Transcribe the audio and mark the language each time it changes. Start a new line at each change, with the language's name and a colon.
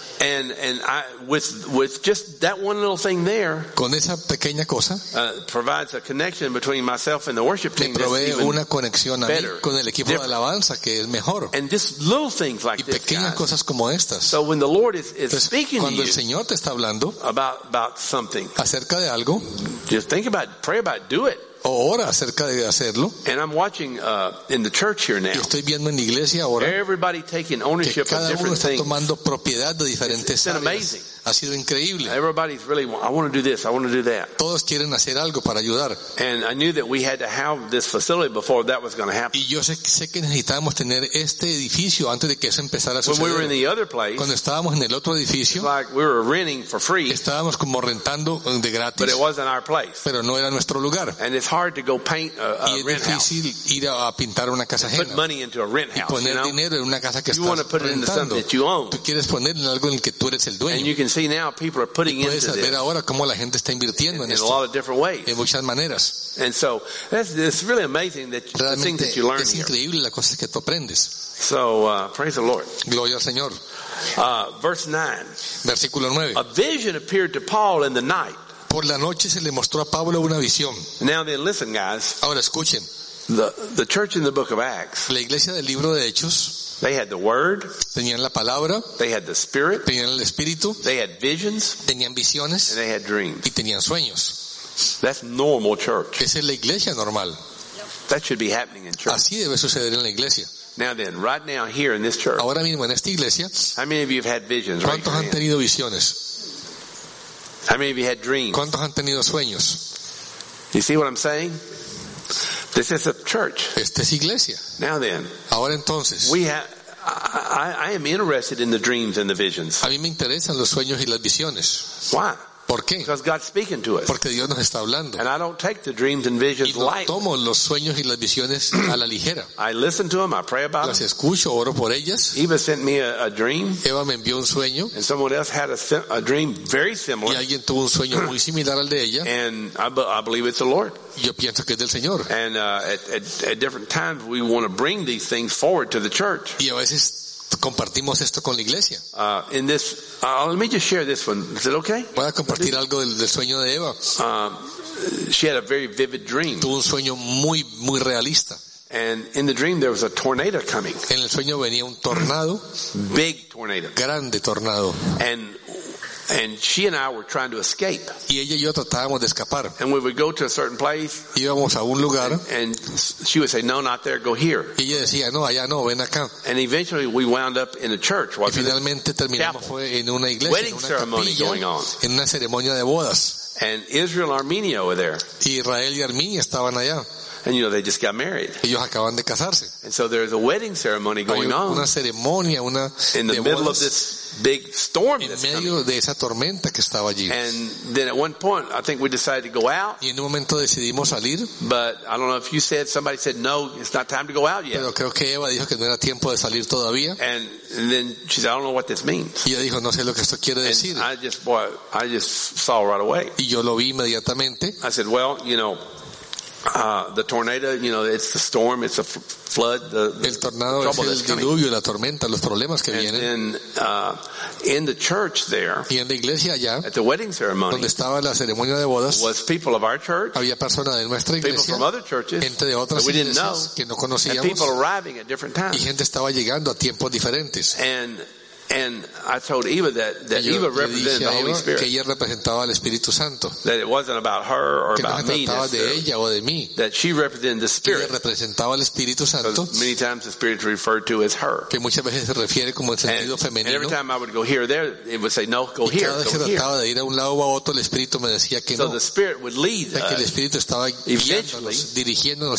English: And I with just that one little thing there,
Spanish: con esa pequeña cosa,
English: provides a connection between myself and the worship team.
Spanish: Me provee una conexión a mí con el equipo de alabanza que es mejor.
English: And just little things like
Spanish: y pequeñas cosas como estas.
English: So when the Lord is speaking to you about something,
Spanish: acerca de algo,
English: just think about it, pray about it, do it.
Spanish: O ora acerca de hacerlo.
English: And I'm watching in the church here now.
Spanish: Estoy viendo en la iglesia ahora.
English: Everybody taking ownership of different things.
Spanish: Cada uno está tomando propiedad de diferentes
English: áreas. It's been amazing.
Spanish: Ha sido increíble.
English: Everybody's really, I want to do this, I want to do that.
Spanish: Todos quieren hacer algo para ayudar.
English: And I knew that we had to have this facility before that was going to happen.
Spanish: Y yo sé que necesitábamos tener este edificio antes de que eso empezara a suceder.
English: When we were in the other place,
Spanish: cuando estábamos en el otro edificio,
English: like we were renting for free,
Spanish: estábamos como rentando de gratis.
English: But it wasn't our place.
Spanish: Pero no era nuestro lugar.
English: And it's hard to go paint a rent house.
Spanish: Y es difícil ir a pintar una casa ajena.
English: Put money into a rent house.
Spanish: Y poner dinero en una casa que estás rentando.
English: You want to put it into something that you own.
Spanish: Tú quieres poner en algo en el que tú eres el dueño.
English: See now people are putting into this.
Spanish: Puedes ver ahora cómo la gente está invirtiendo en esto.
English: In a lot of different ways.
Spanish: En muchas maneras.
English: And so it's really amazing that the things that you learn.
Spanish: Es increíble las cosas que tú aprendes.
English: So praise the Lord.
Spanish: Gloria al Señor.
English: Verse 9.
Spanish: Versículo 9.
English: A vision appeared to Paul in the night.
Spanish: Por la noche se le mostró a Pablo una visión.
English: Now then, listen, guys.
Spanish: Ahora escuchen.
English: The church in the book of Acts.
Spanish: La iglesia del libro de Hechos.
English: They had the word.
Spanish: Tenían la palabra.
English: They had the spirit.
Spanish: Tenían el espíritu.
English: They had visions.
Spanish: Tenían visiones.
English: And they had dreams.
Spanish: Y tenían sueños.
English: That's normal church.
Spanish: Esa es la iglesia normal.
English: That should be happening in church.
Spanish: Así debe suceder en la iglesia.
English: Now then, right now here in this church.
Spanish: Ahora mismo en esta iglesia.
English: How many of you have had visions?
Spanish: ¿Cuántos han tenido visiones?
English: How many of you had dreams?
Spanish: ¿Cuántos han tenido sueños?
English: You see what I'm saying? This is a church.
Spanish: Esta es iglesia.
English: Now then.
Spanish: Ahora entonces.
English: I am interested in the dreams and the visions.
Spanish: A mí me interesan los sueños y las visiones.
English: Why?
Spanish: ¿Por qué?
English: Because God's speaking to us.
Spanish: Porque Dios nos está hablando.
English: And I don't take the dreams and visions lightly.
Spanish: Y no tomo los sueños y las visiones a la ligera.
English: I listen to them, I pray about them.
Spanish: Las escucho, oro por ellas.
English: Eva sent me a dream.
Spanish: Eva me envió un sueño.
English: And someone else had a dream very similar.
Spanish: Y alguien tuvo un sueño muy similar al de ella.
English: And I believe it's the Lord.
Spanish: Yo pienso que es del Señor.
English: And at different times we want to bring these things forward to the church.
Spanish: Y a veces compartimos esto con la iglesia.
English: In this, let me just share this one. Is it okay?
Spanish: Voy a compartir algo del sueño de Eva.
English: She had a very vivid dream.
Spanish: Tuvo un sueño muy muy realista.
English: And in the dream there was a tornado coming.
Spanish: En el sueño venía un tornado.
English: Big tornado.
Spanish: Grande tornado.
English: And she and I were trying to escape.
Spanish: Y ella y yo tratábamos de escapar.
English: And we would go to a certain place.
Spanish: Íbamos a un lugar.
English: And she would say, "No, not there. Go here."
Spanish: Y ella decía, "No, allá no. Ven acá."
English: And eventually we wound up in a church.
Spanish: Y finalmente terminamos fue en una iglesia.
English: Wedding ceremony going on.
Spanish: En una ceremonia de bodas.
English: And Israel and Armenia were there.
Spanish: Israel y Armenia estaban allá.
English: And you know they just got married.
Spanish: Ellos acaban de casarse.
English: And so there's a wedding ceremony going on.
Spanish: Una ceremonia, una
English: in the middle of this big storm.
Spanish: En medio de esa tormenta que estaba allí.
English: And then at one point, I think we decided to go out.
Spanish: Y en un momento decidimos salir.
English: But I don't know if you said somebody said no, it's not time to go out yet.
Spanish: Pero creo que Eva dijo que no era tiempo de salir todavía.
English: And then she said, "I don't know what this means."
Spanish: Y ella dijo, no sé lo que esto quiere decir.
English: And I just saw right away.
Spanish: Y yo lo vi inmediatamente.
English: I said, "Well, you know." The tornado, you know, it's the storm, it's a flood,
Spanish: el tornado es el diluvio, la tormenta, los problemas que vienen.
English: And in the church there,
Spanish: y en la iglesia allá,
English: at the wedding ceremony,
Spanish: donde estaba la ceremonia de bodas,
English: was people of our church,
Spanish: había personas de nuestra iglesia,
English: people from other churches,
Spanish: gente de otras iglesias,
English: we didn't know,
Spanish: que no conocíamos,
English: and people arriving at different times.
Spanish: Y gente estaba llegando a tiempos diferentes.
English: And I told Eva that Eva represented the Holy Spirit.
Spanish: Que ella representaba al Espíritu Santo.
English: That it wasn't about her or
Spanish: que no
English: about me.
Spanish: Que trataba de ella o de mí.
English: That she represented the Spirit.
Spanish: Ella representaba al Espíritu Santo.
English: Many times the Spirit referred to as her.
Spanish: Que muchas veces se refiere como el sentido femenino.
English: And every time I would go here or there, it would say no, go here, go here.
Spanish: Y cada vez que trataba de ir a un lado o a otro, el Espíritu me decía que so no.
English: So the Spirit would lead.
Spanish: O sea, que el Espíritu estaba guiándonos, dirigiéndonos.